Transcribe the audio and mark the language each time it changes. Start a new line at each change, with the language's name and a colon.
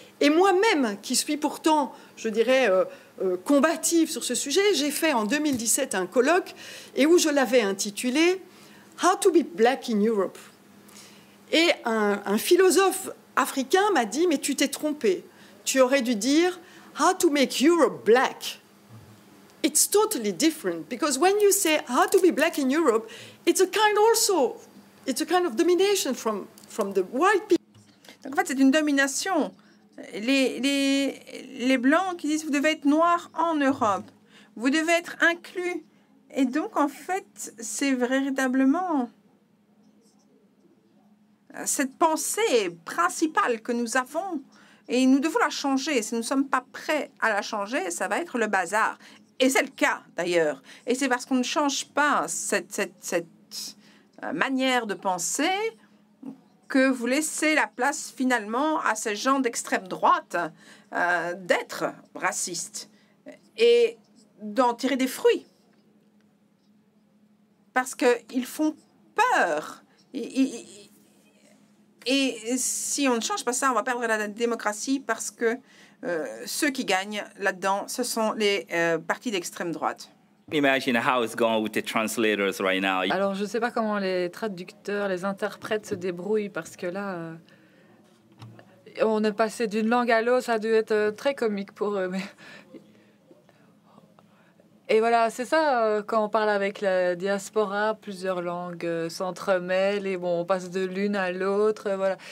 French: Et moi-même, qui suis pourtant, je dirais, combative sur ce sujet, j'ai fait en 2017 un colloque et où je l'avais intitulé «
English: How to be black in Europe ».
French: Et un philosophe africain m'a dit « mais tu t'es trompé, tu aurais dû dire «
English: How to make Europe black ». It's totally different, because when you say « how to be black in Europe », it's a kind of domination from the white people.
French: Donc en fait, c'est une domination. Les blancs qui disent « vous devez être noir en Europe, vous devez être inclus ». Et donc, en fait, c'est véritablement cette pensée principale que nous avons. Et nous devons la changer. Si nous ne sommes pas prêts à la changer, ça va être le bazar. Et c'est le cas, d'ailleurs. Et c'est parce qu'on ne change pas cette manière de penser que vous laissez la place finalement à ces gens d'extrême droite d'être racistes et d'en tirer des fruits. Parce qu'ils font peur. Et si on ne change pas ça, on va perdre la démocratie parce que ceux qui gagnent là-dedans, ce sont les partis d'extrême droite.
English: Imagine how it's going with the translators right now.
French: Alors, je ne sais pas comment les traducteurs, les interprètes se débrouillent parce que là, On est passé d'une langue à l'autre, ça a dû être très comique pour eux. Mais... Et voilà, c'est ça, quand on parle avec la diaspora, plusieurs langues s'entremêlent et bon, on passe de l'une à l'autre. Voilà.